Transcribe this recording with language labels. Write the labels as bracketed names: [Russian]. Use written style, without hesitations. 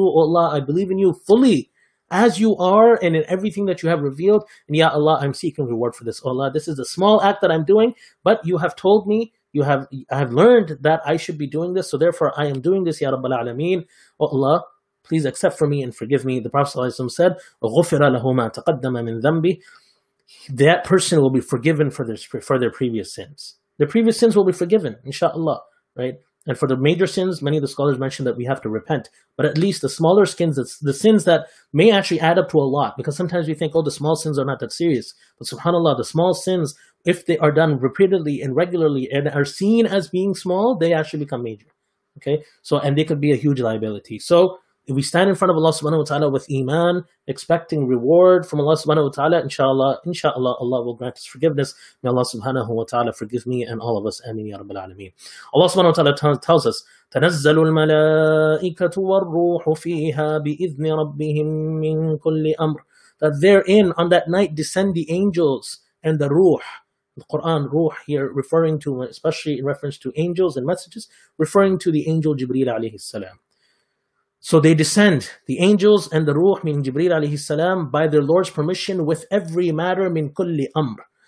[English] Oh Allah, I believe in you fully as you are and in everything that you have revealed. And ya Allah, I'm seeking reward for this. Oh Allah, this is a small act that I'm doing, but you have told me, I have learned that I should be doing this. So therefore, I am doing this, ya Rabbal Alameen. Oh Allah, please accept for me and forgive me. The Prophet ﷺ said, [Arabic] غُفِرَ لَهُمَا تَقَدَّمَ مِنْ ذَنْبِ. [English] That person will be forgiven for their previous sins. The previous sins will be forgiven, inshallah, right? And for the major sins, many of the scholars mentioned that we have to repent. But at least the smaller sins, the sins that may actually add up to a lot, because sometimes we think, oh, the small sins are not that serious. But subhanAllah, the small sins, if they are done repeatedly and regularly and are seen as being small, they actually become major, okay? So, and they could be a huge liability. So, if we stand in front of Allah subhanahu wa ta'ala with iman, expecting reward from Allah subhanahu wa ta'ala, inshallah, Allah will grant us forgiveness. May Allah subhanahu wa ta'ala forgive me and all of us. Ameen ya Rabbil Alameen. Allah subhanahu wa ta'ala tells us, [Arabic] تَنَزَّلُ الْمَلَائِكَةُ وَالرُّوحُ فِيهَا بِإِذْنِ رَبِّهِمْ مِنْ كُلِّ أَمْرٍ. [English] That therein, on that night, descend the angels and the ruh. The Quran, ruh here, referring to, especially in reference to angels and messages, referring to the angel Jibreel alayhi salam. So they descend, the angels and the ruh, meaning Jibreel alayhi salam, by their Lord's permission with every matter, [Arabic] min kulli amr.